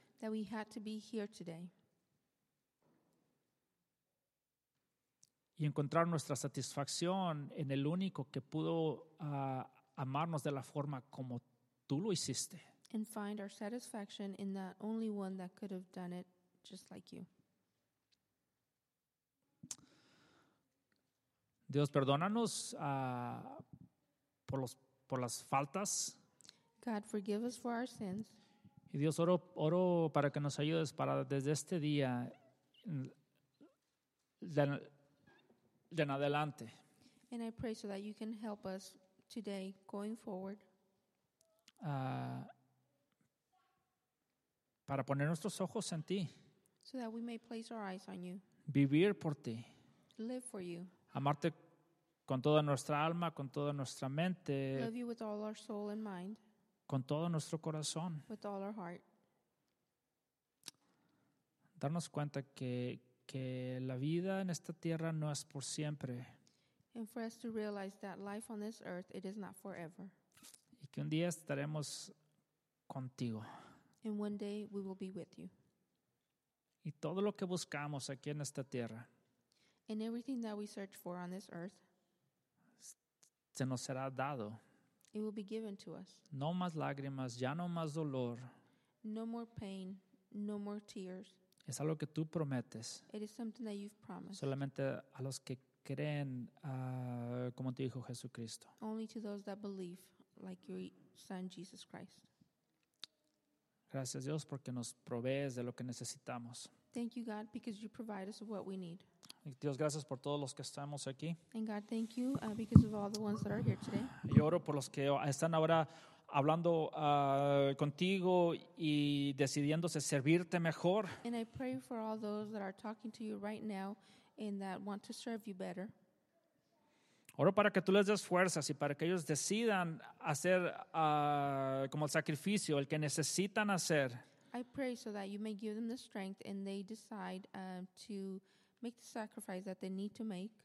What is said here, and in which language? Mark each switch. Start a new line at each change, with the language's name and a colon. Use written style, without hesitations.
English: That we had to be here today.
Spanish: Y encontrar nuestra satisfacción en el único que pudo amarnos de la forma como tú lo hiciste.
English: And find our satisfaction in that only one that could have done it just like you.
Spanish: Dios, perdónanos por las faltas.
English: God, forgive us for our sins.
Spanish: Y Dios, oro para que nos ayudes para desde este día de en adelante.
English: And I pray so that you can help us today going forward.
Spanish: Para poner nuestros ojos en ti.
English: So that we may place our eyes on you.
Spanish: Vivir por ti.
English: Live for you.
Spanish: Amarte con toda nuestra alma, con toda nuestra mente.
English: Love you with all our soul and mind.
Spanish: Con todo nuestro corazón.
English: With all our heart.
Spanish: Darnos cuenta que la vida en esta tierra no es por siempre.
English: And for us to realize that life on this earth, it is not forever.
Spanish: Y que un día estaremos contigo.
English: And one day we will be with you.
Spanish: Y todo lo que buscamos aquí en esta tierra.
English: And everything that we search for on this earth.
Spanish: Se nos será dado.
English: It will be given to us.
Spanish: No más lágrimas, ya no más dolor.
English: No more pain, no more tears.
Spanish: Es algo que tú prometes.
English: It is something that you've promised.
Spanish: Solamente a los que creen, como te dijo Jesucristo.
English: Only to those that believe, like your son Jesus Christ.
Spanish: Gracias Dios porque nos provees de lo que necesitamos.
English: Thank you God because you provide us what we need.
Spanish: Dios, gracias por todos los que estamos aquí.
English: And God, thank you because of all the ones that are here today.
Spanish: Yo oro por los que están ahora hablando contigo y decidiéndose servirte mejor.
English: And I pray for all those that are talking to you right now and that want to serve you better.
Spanish: Oro para que tú les des fuerzas y para que ellos decidan hacer como el sacrificio, el que necesitan hacer.
English: I pray so that you may give them the strength and they decide to make the sacrifice that they need to make.